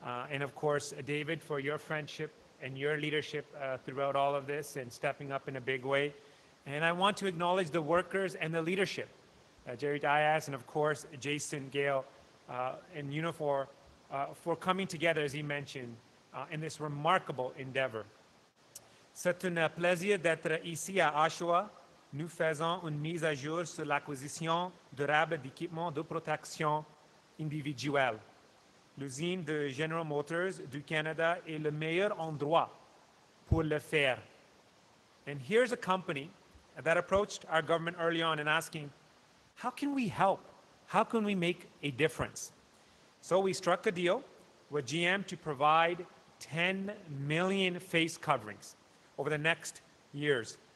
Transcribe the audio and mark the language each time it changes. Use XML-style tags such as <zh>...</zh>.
<en>And of course, David, for your friendship and your leadership throughout all of this and stepping up in a big way. And I want to acknowledge the workers and the leadership, Jerry Diaz, and of course, Jason Gale and Unifor for coming together, as he mentioned, in this remarkable endeavor.</en> <fr>C'est un plaisir d'être ici à Oshawa. Nous faisons une mise à jour sur l'acquisition durable d'équipements de protection individuelle. L'usine de General Motors du Canada est le meilleur endroit pour le faire.</fr> <en>And here's a company that approached our government early on and asking, how can we help? How can we make a difference? So we struck a deal with GM to provide 10 million face coverings over the next years.</en>